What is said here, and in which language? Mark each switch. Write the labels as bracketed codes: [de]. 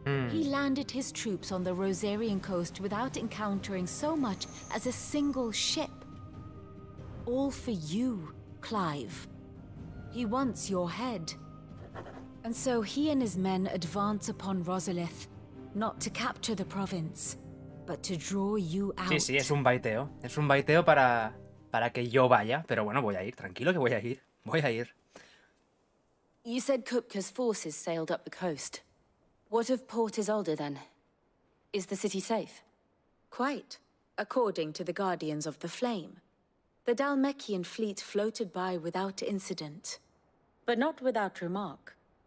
[en] He landed his troops on the Rosarian coast without encountering so much as a single ship. All for you, Clive. He wants your head. And so he and his men advance upon Rosaleth, not to capture the province, but to draw you out. [es] Sí, sí, es un baiteo. Es un baiteo para... para que yo vaya, pero bueno, voy a ir, tranquilo que voy a ir, voy a ir. [en] You said Kupka's forces sailed up the coast. What if Port is older then? Is the city safe? Quite, according to the Guardians of the Flame. The Dalmechian fleet floated by without incident, but not without remark.